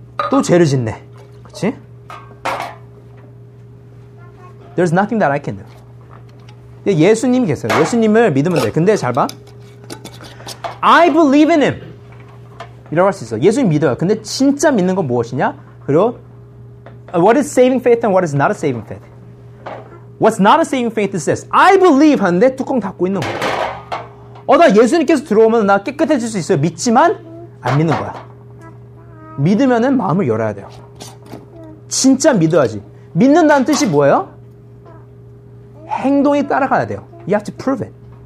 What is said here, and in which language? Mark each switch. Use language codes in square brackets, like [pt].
[ko] 또 죄를 짓네. 그치? [en] There's nothing that I can do. [ko] 예수님이 계세요. 예수님을 믿으면 돼. 근데 잘 봐. [en] I believe in him. [ko] 이라고 할 수 있어. 예수님 믿어요. 근데 진짜 믿는 건 무엇이냐? 그리고 [en] what is saving faith and what is not a saving faith? What's not a saving faith is this. I believe [ko] 하는데 뚜껑 닫고 있는 거야. 나 예수님께서 들어오면 나 깨끗해질 수 있어요. 믿지만 안 믿는 거야. 믿으면은 마음을 열어야 돼요. 진짜 믿어야지. 믿는다는 뜻이 뭐예요? 행동이 따라가야 돼요. [en] You have to prove it.